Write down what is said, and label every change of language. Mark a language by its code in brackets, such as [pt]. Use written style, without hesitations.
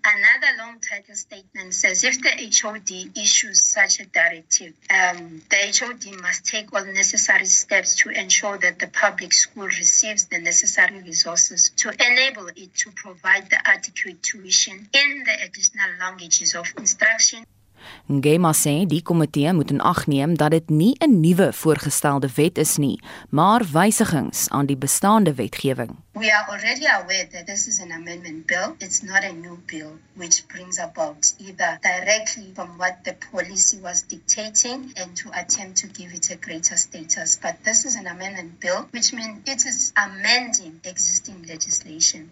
[en] Another long title statement says if the HOD issues such a directive, the HOD must take all necessary steps to ensure that the public school receives the necessary resources to enable it to provide the adequate tuition in the additional languages of instruction. [af] Ngema sê die komitee moet in ag neem dat dit nie 'n nuwe voorgestelde wet is nie, maar wysigings aan die bestaande wetgewing. [en] We are already aware that this is an amendment bill. It's not a new bill which brings about either directly from what the policy was dictating and to attempt to give it a greater status. But this is an amendment bill, which means it is amending existing legislation.